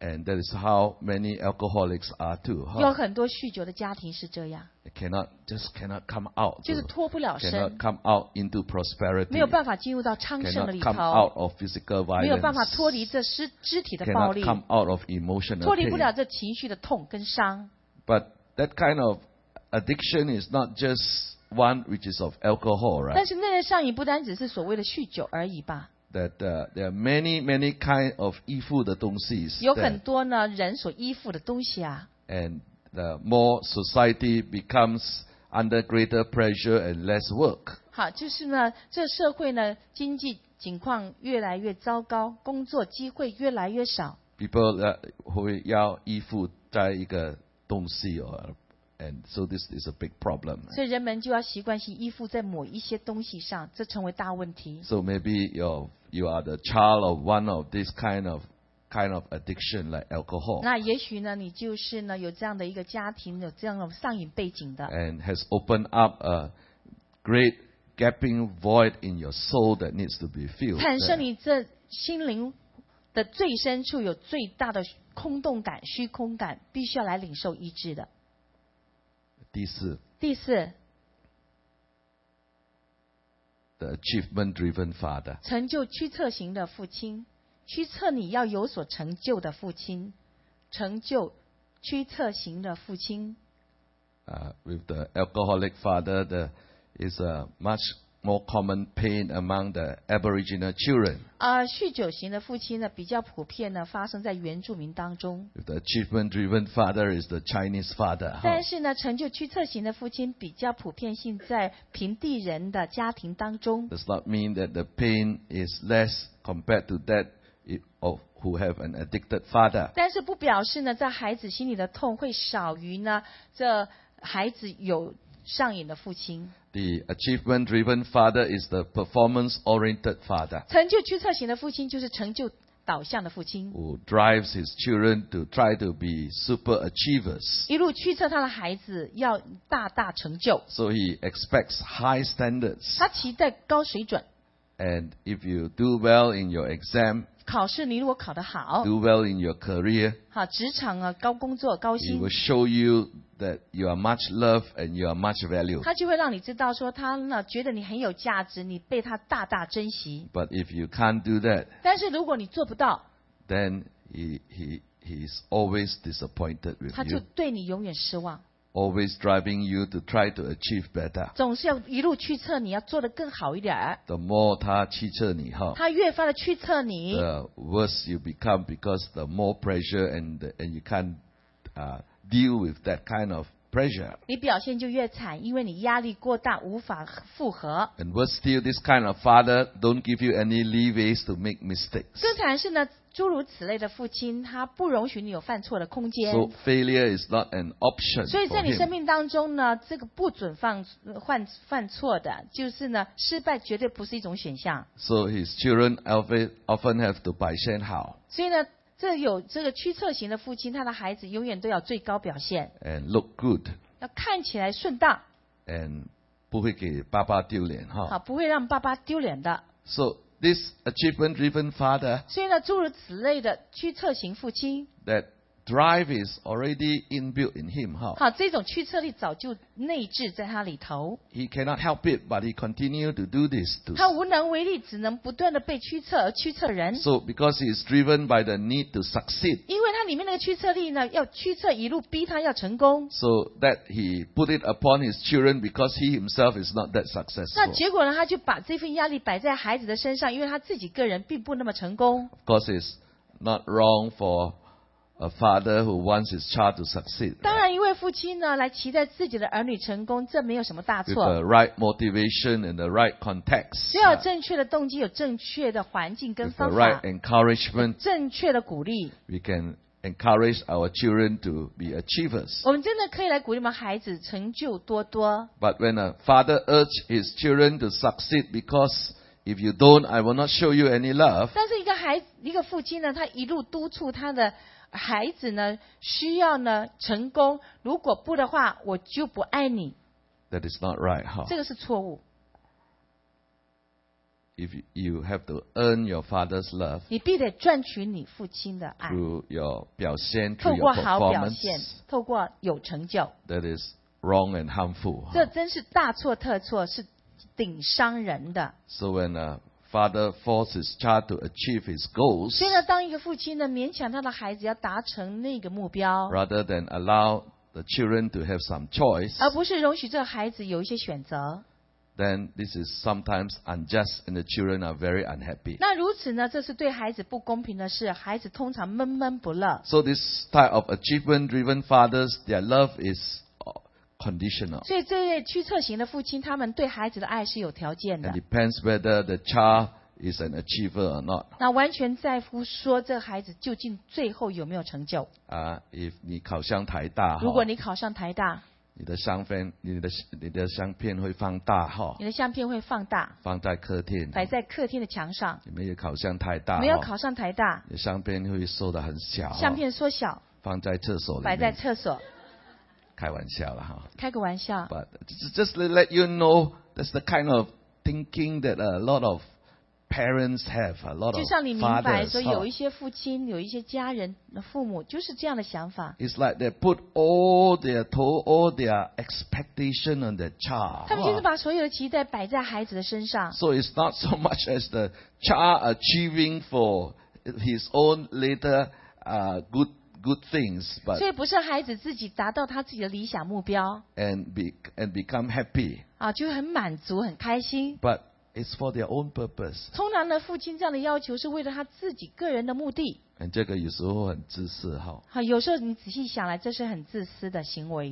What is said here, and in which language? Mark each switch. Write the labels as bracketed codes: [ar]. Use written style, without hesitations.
[en] And that is how many alcoholics are too, huh? [zh] 有很多酗酒的家庭是这样。 [en] Just cannot come out, [zh] 就是脱不了身。 [en] Cannot come out into prosperity, [zh] 没有办法进入到昌盛的里头。 [en] Cannot come out of physical violence, [zh] 没有办法脱离这肢体的暴力。 [en] Cannot come out of emotional pain, [zh] 脱离不了这情绪的痛跟伤。 [en] But that kind of addiction is not justone which is of alcohol, right? [zh] 但是那个上瘾不单只是所谓的酗酒而已吧。 [en] That there are many kind of [zh] 依附的东西。有很多呢人所依附的东西啊。 [en] And the more society becomes under greater pressure and less work. [zh] 好，就是呢，这社会呢经济情况越来越糟糕，工作机会越来越少。 [en] People [zh] 会要依附在一个东西哦。 [en] And so this is a big problem. [zh] 所以人们就要习惯性依附在某一些东西上，这成为大问题。 [en] So maybe you are the child of one of this kind of addiction like alcohol. [zh] 那也许呢，你就是呢有这样的一个家庭，有这样的上瘾背景的。 [en] And has opened up a great gaping void in your soul that needs to be filled. [zh] 产生你这心灵的最深处有最大的空洞感、虚空感，必须要来领受医治的。第四 [en] The achievement driven father. [zh] 成就驱策型的父亲，驱策你要有所成就的父亲，成就驱策型的父亲。 [en] With the alcoholic father, there is a much more common pain among the Aboriginal children. [zh] 酗酒型的父亲呢，比较普遍呢，发生在原住民当中。 [en] If the achievement-driven father is the Chinese father. [zh] 但是呢，成就驱策型的父亲比较普遍性在平地人的家庭当中。 [en] Does not mean that the pain is less compared to that of who have an addicted father. [zh] 但是不表示呢，在孩子心里的痛会少于呢，这孩子有上瘾的父亲。 [en] The achievement-driven father is the performance-oriented father. [zh] 成就驱策型的父亲就是成就导向的父亲。 [en] Who drives his children to try to be super achievers. [zh] 一路驱策他的孩子要大大成就。 [en] So he expects high standards. [zh] 他期待高水准。 [en] And if you do well in your exam, [zh] 考试你如果考得好 [en] ，do well in your career, [zh] 好职场啊，高工作高薪 [en] ，he will show you. That you are much loved and you are much valued. [zh] 他就会让你知道说他呢觉得你很有价值，你被他大大珍惜。 [en] But if you can't do that, [zh] 但是如果你做不到 [en] ，then he is always disappointed with you. [zh] 他就对你永远失望。 [en] Always driving you to try to achieve better. [zh] 总是要一路驱策你要做得更好一点。 [en] The more [zh] 他驱策你哈，他越发的驱策你。 [en] The worse you become because the more pressure and you can't deal with that kind of pressure. [zh] 你表现就越惨，因为你压力过大，无法复合。 [en] And worse still, this kind of father don't give you any leeways to make mistakes. [zh] 更惨是呢，诸如此类的父亲，他不容许你有犯错的空间。 [en] So failure is not an option. [zh] 所以在你生命当中呢，这个不准犯错的，就是呢，失败绝对不是一种选项。 [en] So his children often have to [zh] 表现好。所以呢。这有这个驱策型的父亲，他的孩子永远都要最高表现。 [en] And look good. [zh] 要看起来顺当。 And 不会给爸爸丢脸哈。好，不会让爸爸丢脸的。 [en] So this achievement-driven father. [zh] 所以呢，诸如此类的驱策型父亲。 [en] That drive is already inbuilt in him. 哈。 [zh] 好，这种驱策力早就内置在他里头。 [en] He cannot help it, but he continue to do this. [zh] 他无能为力，只能不断的被驱策而驱策人。 [en] So because he is driven by the need to succeed. [zh] 因为他里面那个驱策力呢，要驱策一路逼他要成功。 [en] So that he put it upon his children because he himself is not that successful. [zh] 那结果呢，他就把这份压力摆在孩子的身上，因为他自己个人并不那么成功。 [en] Of course, it's not wrong for a father who wants his child to succeed. [zh] 当然，一位父亲呢，来期待自己的儿女成功，这没有什么大错。 [en] With the right motivation and the right context. [zh] 只要正确的动机，有正确的环境跟方法。 [en] With the right encouragement. [zh] 正确的鼓励。 [en] We can encourage our children to be achievers. [zh] 我们真的可以来鼓励我们孩子成就多多。 [en] But when a father urges his children to succeed because if you don't, I will not show you any love. [zh] 但是一个父亲呢，他一路督促他的孩子呢，需要呢成功。如果不的话，我就不爱你。 [en] That is not right, huh? [zh] 这个是错误。 [en] If you have to earn your father's love, [zh] 你必得赚取你父亲的爱。 [en] Through your [zh] 表现，透过好表现，透过有成就。 [en] That is wrong and harmful, huh? [zh] 这真是大错特错，是顶伤人的。 [en] So when a father forces his child to achieve his goals, [zh] 所以呢，当一个父亲呢，勉强他的孩子要达成那个目标 [en] ，rather than allow the children to have some choice, [zh] 而不是容许这孩子有一些选择 [en] ，then this is sometimes unjust and the children are very unhappy. [zh] 那如此呢，这是对孩子不公平的事，孩子通常闷闷不乐。 [en] So this type of achievement-driven fathers, their love is conditional. [zh] 所以这些驱策型的父亲，他们对孩子的爱是有条件的。 [en] It depends whether the child is an achiever or not. [zh] 那完全在乎说这孩子究竟最后有没有成就。 If 你考上台大，如果你考上台大，你的相片会放大哈。你的相片会放大，放在客厅，摆在客厅的墙上。你没有考上台大，没有考上台大，你的相片会缩得很小，相片缩小，放在厕所里面，摆在厕所。开玩笑了哈，开个玩笑。 [en] But just to let you know, that's the kind of thinking that a lot of parents have, a lot of fathers. [zh] 就像你明白说，有一些父亲，有一些家人的父母，就是这样的想法。 [en] It's like they put all their expectation on their child. [zh] 他们就是把所有的期待摆在孩子的身上。 [en] So it's not so much as the child achieving for his own later, good things, but [zh] 所以不是孩子自己达到他自己的理想目标 [en] and become happy [zh] 啊，就很满足很开心 [en] but it's for their own purpose [zh] 通常呢父亲这样的要求是为了他自己个人的目的 and 这个有时候很自私哈好有时候你仔细想来这是很自私的行为